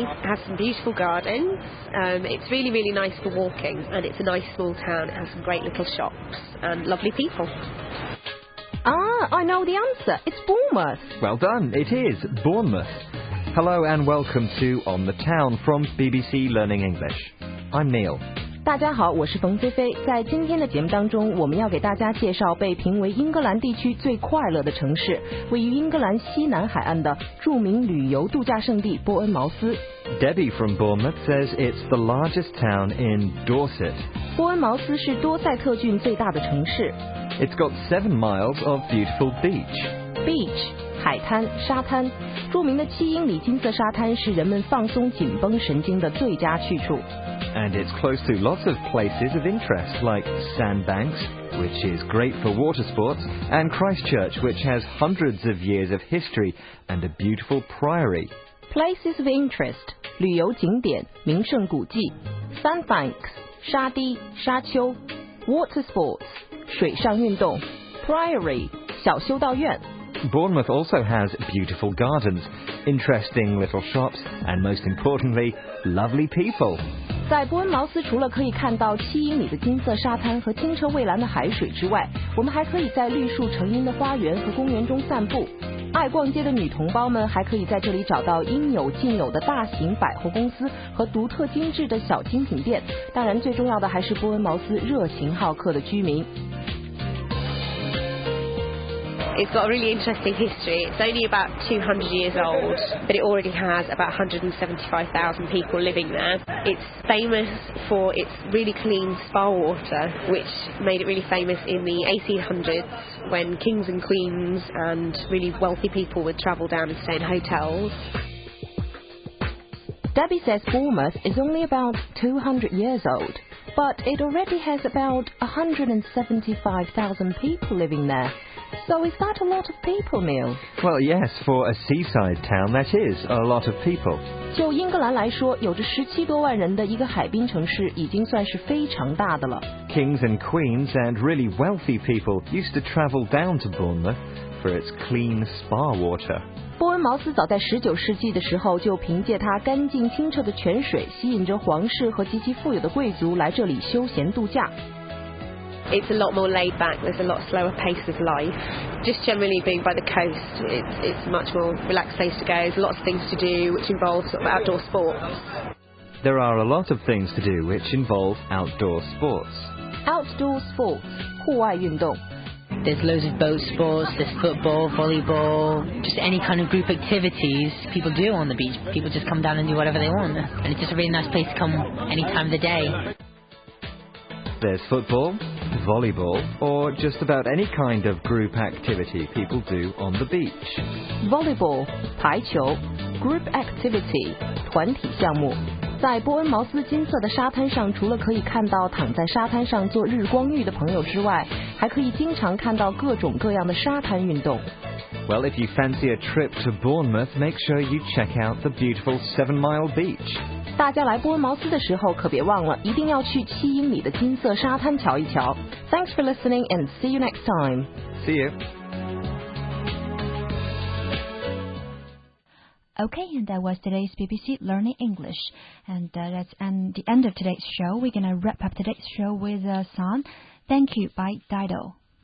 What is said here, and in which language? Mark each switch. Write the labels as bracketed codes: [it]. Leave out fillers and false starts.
[en] It has some beautiful gardens. It's really, really nice for walking, and it's a nice small town. It has some great little shops and lovely people. Ah, I know the answer. It's Bournemouth. Well done. It is Bournemouth. Hello and welcome to On the Town from BBC Learning English. I'm Neil. [zh] 大家好，我是冯飞飞。在今天的节目当中，我们要给大家介绍被评为英格兰地区最快乐的城市，位于英格兰西南海岸的著名旅游度假胜地波恩茅斯。 [en] Debbie from Bournemouth says it's the largest town in Dorset. [zh] 波恩茅斯是多塞特郡最大的城市。 [en] It's got 7 miles of beautiful beach. Beach. [zh] 海滩、沙滩，著名的7英里金色沙滩是人们放松紧绷神经的最佳去处。 [en] And it's close to lots of places of interest, like Sandbanks, which is great for water sports, and Christchurch, which has hundreds of years of history and a beautiful priory. Places of interest, [zh] 旅游景点、名胜古迹 ，Sandbanks, 沙堤、沙丘 ， [en] Water sports, [zh] 水上运动 ，Priory, 小修道院。 [en] Bournemouth also has beautiful gardens, interesting little shops, and most importantly, lovely people. [zh] 在波恩茅斯除了可以看到七英里的金色沙滩和清澈蔚蓝的海水之外，我们还可以在绿树成荫的花园和公园中散步。爱逛街的女同胞们还可以在这里找到应有尽有的大型百货公司和独特精致的小精品店。当然，最重要的还是波恩茅斯热情好客的居民。 [en] It's got a really interesting history. It's only about 200 years old, but it already has about 175,000 people living there. It's famous for its really clean spa water, which made it really famous in the 1800s when kings and queens and really wealthy people would travel down and stay in hotels. Debbie says Bournemouth is only about 200 years old, but it already has about 175,000 people living there. So is that a lot of people, Neil? Well, yes, for a seaside town, that is a lot of people. [zh] 就英格兰来说，有着17多万人的一个海滨城市已经算是非常大的了。 [en] Kings and queens and really wealthy people used to travel down to Bournemouth for its clean spa water. [zh] 波恩茅斯早在19世纪的时候就凭借它干净清澈的泉水，吸引着皇室和极其富有的贵族来这里休闲度假。 [en] It's a lot more laid back, there's a lot slower pace of life. Just generally being by the coast, it's a much more relaxed place to go. There's lots of things to do which involve sort of outdoor sports. There are a lot of things to do which involve outdoor sports. Outdoor sports, 户外运动。 There's loads of boat sports, there's football, volleyball, just any kind of group activities people do on the beach. People just come down and do whatever they want. And it's just a really nice place to come any time of the day. There's football, volleyball, or just about any kind of group activity people do on the beach. Volleyball, 排球 group activity, 团体项目。 [zh] 在波恩茅斯金色的沙滩上，除了可以看到躺在沙滩上做日光浴的朋友之外，还可以经常看到各种各样的沙滩运动。 [en] Well, if you fancy a trip to Bournemouth, make sure you check out the beautiful 7 Mile Beach. [zh] 大家来波恩茅斯的时候可别忘了，一定要去七英里的金色沙滩瞧一瞧。 [en] Thanks for listening and see you next time. See you. Okay, and that was today's BBC Learning English. And that's the end of today's show. We're going to wrap up today's show with a song, Thank You by Dido.